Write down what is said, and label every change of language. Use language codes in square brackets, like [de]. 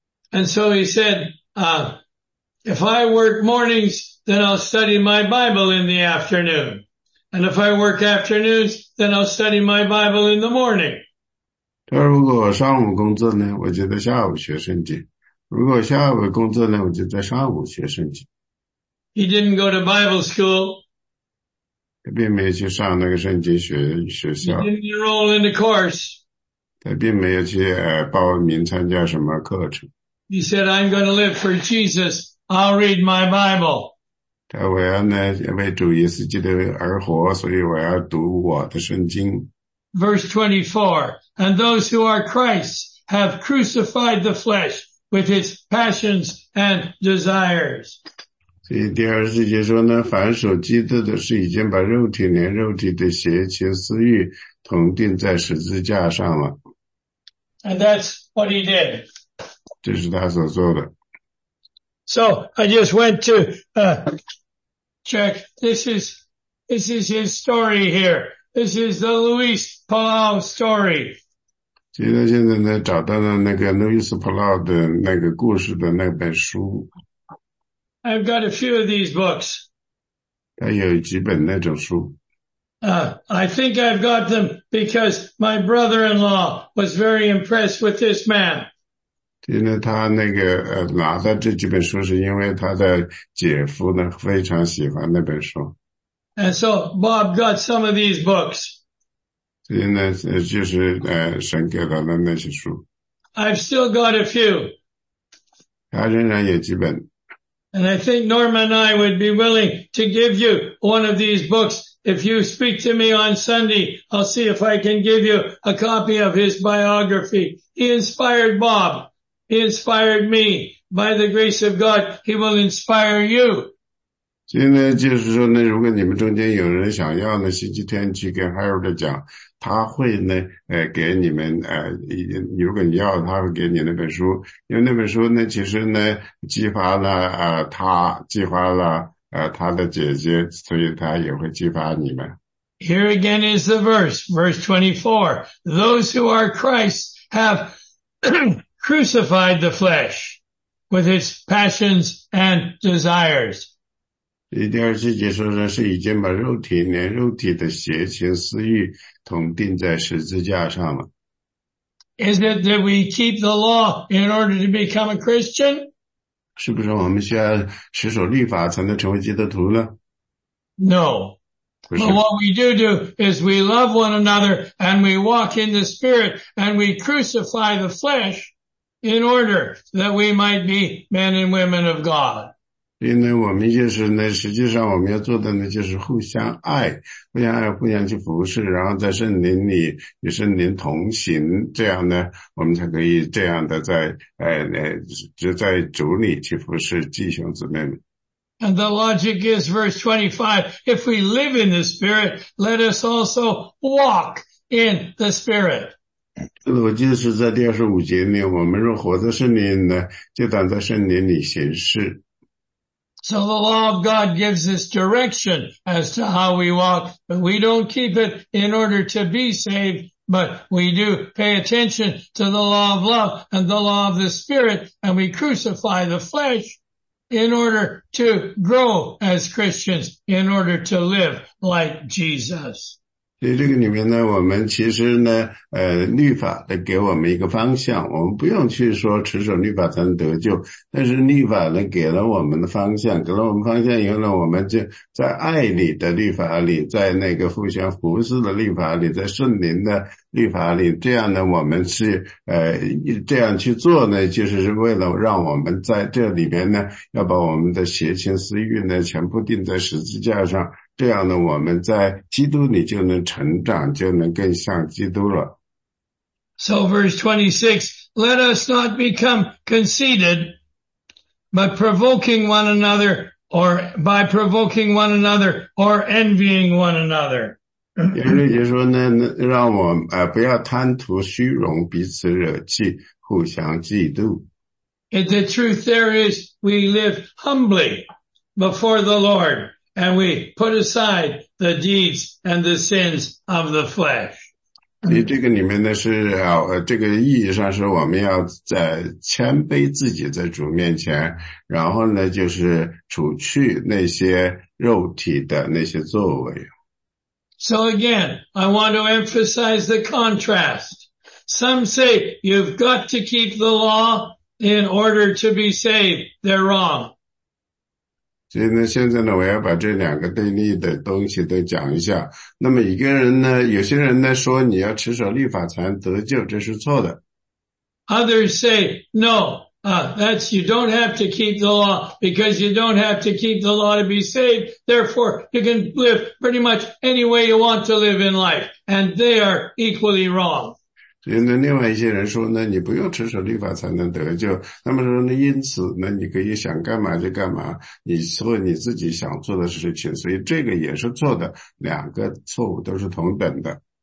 [en] And so he said, if I work mornings, then I'll study my Bible in the afternoon. And if I work afternoons, then I'll study my Bible in the morning. [zh] 他如果上午工作呢，我就在下午学圣经；如果下午工作呢，我就在上午学圣经。 [en] He didn't go to Bible school. [zh] 他并没有去上那个圣经学校。 [en] He didn't enroll in a course. [zh] 他并没有去报名参加什么课程。 [en] He said, "I'm going to live for Jesus. I'll read my Bible." [zh] 他我要呢为主耶稣基督而活所以我要读我的圣经。 [en] Verse 24, And those who are Christ's have crucified the flesh with its passions and desires. [zh] 所以第二十节说呢凡属基督的是已经把肉体连肉体的邪情私欲同钉在十字架上了。 [en] And that's what he did. [zh] 这是他所做的。 [en] So I just went to check. This is his story here. This is the Luis Palau story. [zh] 现在找到了那个 Luis Palau 的那个故事的那本书。 [en] I've got a few of these books. [zh] 他有几本那种书。 [en] I think I've got them because my brother-in-law was very impressed with this man. [zh] 因为他那个拿到这几本书是因为他的姐夫呢非常喜欢那本书。 [en] And so Bob got some of these books. [zh] 所以呢就是神给他的那些书。 [en] I've still got a few. [zh] 他仍然有几本。 [en] And I think Norma and I would be willing to give you one of these books if you speak to me on Sunday. I'll see if I can give you a copy of his biography. He inspired Bob. He inspired me. By the grace of God, he will inspire you. [zh] 现在就是说呢，如果你们中间有人想要呢，星期天去跟 Harold 讲，他会呢，给你们，如果你要，他会给你那本书，因为那本书呢，其实呢，激发了他，激发了他的姐姐，所以他也会激发你们。 [en] Here again is the verse 24. Those who are Christ have. crucified the flesh with its passions and desires. [zh] 第二十节说的是已经把肉体连肉体的邪情私欲同钉在十字架上了。 [en] Is it that we keep the law in order to become a Christian? [zh] 是不是我们需要持守律法才能成为基督徒呢？ [en] No. But what we do do is we love one another and we walk in the spirit and we crucify the flesh in order that we might be men and women of God. [zh] 因为我们就是那实际上我们要做的呢就是互相爱，互相爱，互相去服侍，然后在圣灵里与圣灵同行，这样呢我们才可以这样的在就在主里去服侍弟兄姊妹们。 [en] And the logic is verse 25, if we live in the Spirit, let us also walk in the Spirit. [zh] 我记得是在第二十五节里，我们若活在圣灵呢，就当在圣灵里行事。 [en] So the law of God gives us direction as to how we walk, but we don't keep it in order to be saved, but we do pay attention to the law of love and the law of the Spirit, and we crucify the flesh in order to grow as Christians, in order to live like Jesus. [zh] 所以这个里面呢，我们其实呢，律法的给我们一个方向，我们不用去说持守律法才能得救，但是律法呢给了我们的方向，给了我们方向以后呢，我们就在爱里的律法里，在那个互相服侍的律法里，在圣灵的律法里，这样呢，我们是这样去做呢，就是为了让我们在这里边呢，要把我们的邪情私欲呢，全部钉在十字架上。这样呢，我们在基督里就能成长，就能更像基督了。 [en] So verse 26, let us not become conceited, but provoking one another, or by provoking one another, or envying one another. [zh] 也就是说呢，让我们不要贪图虚荣，彼此惹气，互相嫉妒。 [en] If the truth there is, we live humbly before the Lord. And we put aside the deeds and the sins of the flesh. [zh] 你这个里面呢是这个意义上是我们要在谦卑自己在主面前，然后呢就是除去那些肉体的那些作为。 [en] So again, I want to emphasize the contrast. Some say you've got to keep the law in order to be saved. They're wrong. [zh] 所以呢，现在呢，我要把这两个对立的东西都讲一下。那么，一个人呢，有些人呢说你要持守律法才能得救，这是错的。 [en] Others say no, that's you don't have to keep the law because you don't have to keep the law to be saved. Therefore, you can live pretty much any way you want to live in life, and they are equally wrong. [zh] 所以呢，另外一些人说呢，你不用持守律法才能得救。他们说呢，因此呢，你可以想干嘛就干嘛，你做你自己想做的事情。所以这个也是错的，两个错误都是同等的。